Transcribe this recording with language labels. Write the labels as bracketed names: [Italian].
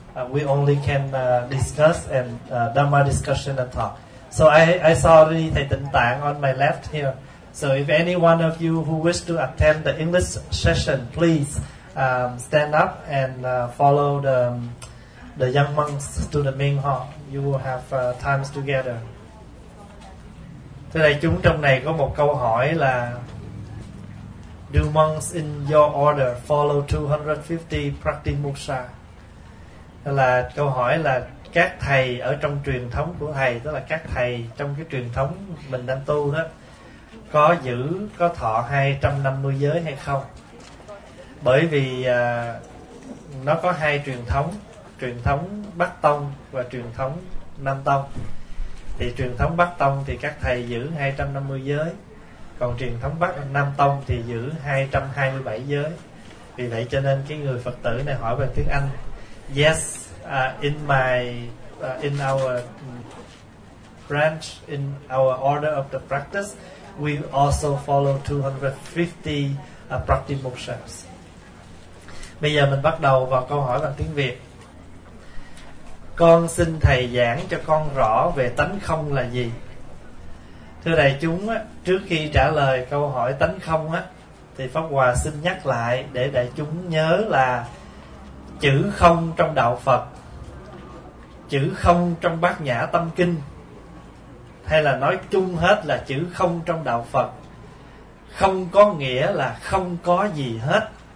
[English] We only can discuss and Dhamma discussion and talk. So I saw already Thầy Tịnh Tạng on my left here. So if any one of you who wish to attend the English session, please stand up and follow the young monks to the main hall. You will have times together. [Vietnamese] Thưa đại chúng, trong này có một câu hỏi là: [English] Do monks in your order follow 250 pratimoksha? [Vietnamese] Là câu hỏi là các thầy ở trong truyền thống của thầy, tức là các thầy trong cái truyền thống mình đang tu đó, có giữ, có thọ 250 giới hay không? Bởi vì nó có hai truyền thống Bắc Tông và truyền thống Nam Tông. Thì truyền thống Bắc Tông thì các thầy giữ 250 giới, còn truyền thống Nam Tông thì giữ 227 giới. Vì vậy cho nên cái người Phật tử này hỏi bằng tiếng Anh. [English] Yes, in our branch, in our order of the practice, we also follow 250 pratimokshas. [Vietnamese] Bây giờ mình bắt đầu vào câu hỏi bằng tiếng Việt. Con xin thầy giảng cho con rõ về tánh không là gì. Thưa đại chúng, trước khi trả lời câu hỏi tánh không á, thì Pháp Hòa xin nhắc lại để đại chúng nhớ là chữ không trong Đạo Phật, chữ không trong Bát Nhã Tâm Kinh, hay là nói chung hết là chữ không trong Đạo Phật, không có nghĩa là không có gì hết.